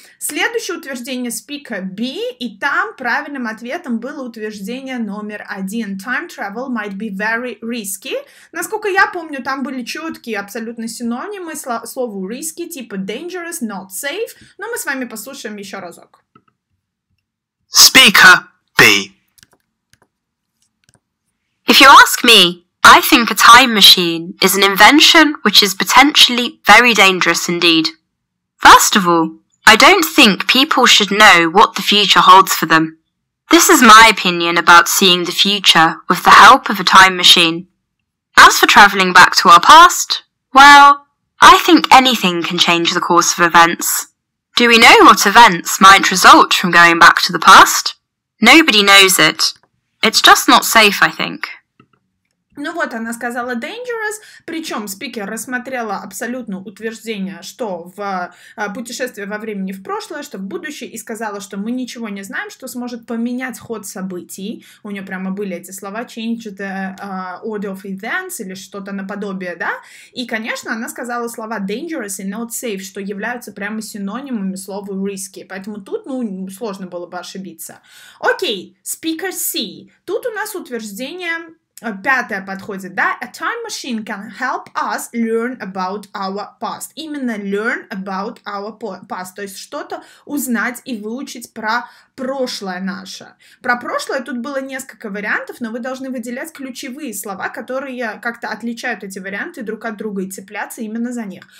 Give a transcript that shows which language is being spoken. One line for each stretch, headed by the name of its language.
Russian: Следующее утверждение speaker B, и там правильным ответом было утверждение номер один.
English: Time travel might be very risky.
Russian: Насколько я помню, там были четкие абсолютно синонимы слову risky, типа dangerous, not safe. Но мы с вами послушаем еще разок.
English: Speaker B. If you ask me, I think a time machine is an invention which is potentially very dangerous indeed. First of all, I don't think people should know what the future holds for them. This is my opinion about seeing the future with the help of a time machine. As for travelling back to our past, well, I think anything can change the course of events. Do we know what events might result from going back to the past? Nobody knows it. It's just not safe, I think.
Russian: Ну вот, она сказала dangerous, причем спикер рассмотрела абсолютно утверждение, что в путешествие во времени в прошлое, что в будущее, и сказала, что мы ничего не знаем, что сможет поменять ход событий. У нее прямо были эти слова
English: change the order of events
Russian: или что-то наподобие, да? И, конечно, она сказала слова dangerous и not safe, что являются прямо синонимами слова risky. Поэтому тут, ну, сложно было бы ошибиться. Окей, speaker C. Тут у нас утверждение... Пятое подходит, да?
English: A time machine can help us learn about our past.
Russian: Именно
English: learn about our past.
Russian: То есть что-то узнать и выучить про прошлое наше. Про прошлое тут было несколько вариантов, но вы должны выделять ключевые слова, которые как-то отличают эти варианты друг от друга и цепляться именно за них.